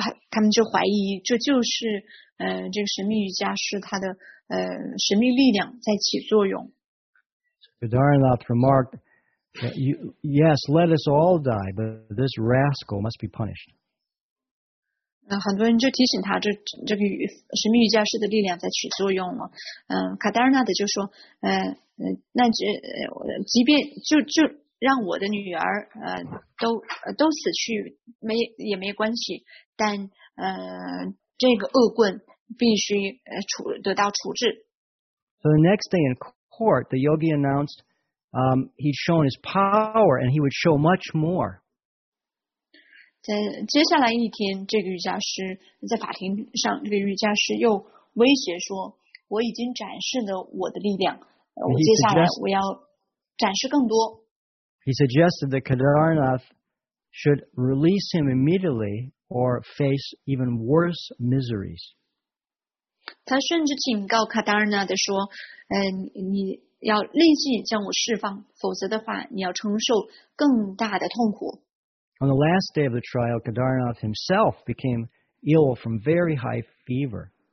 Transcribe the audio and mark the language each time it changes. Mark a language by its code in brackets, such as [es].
[zh] 他们就怀疑这就是这个神秘瑜伽师他的神秘力量在起作用。 [en] Kedarnath remarked, yes, let us all die, but this rascal must be punished. [zh] 很多人就提醒他这个神秘瑜伽师的力量在起作用了。 Kedarnath 就说那即便就让我的女儿都死去也没关系，但这个恶棍必须得到处置。 [en] So the next day in court, the yogi announced, he'd shown his power and he would show much more. [zh] 在接下来一天，这个瑜伽师在法庭上，这个瑜伽师又威胁说，我已经展示了我的力量，我接下来我要展示更多。 [en] He suggested that Kedarnath should release him immediately or face even worse miseries. [zh] 他甚至警告 Kedarnath 说，你要立即将我释放，否则的话，你要承受更大的痛苦。 [en] On the last day of the trial, Kedarnath himself became ill from very high fever.